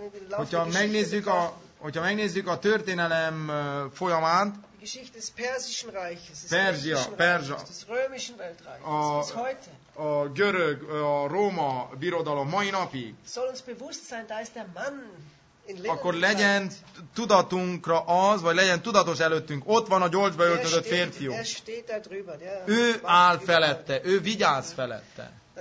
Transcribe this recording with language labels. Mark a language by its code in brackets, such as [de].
[hu] Hogyha megnézzük a történelem folyamát, [de] die Geschichte des Persischen Reiches, [hu] Perzsa, [de] des Römischen Weltreiches, heute, [hu] a görög, a Róma birodalom mai napig, [de] soll uns bewusst sein, da ist der Mann. [hu] Akkor legyen tudatunkra az, vagy legyen tudatos előttünk, ott van a gyorsba öltözött férfiú. Ő áll felette, ő vigyáz felette.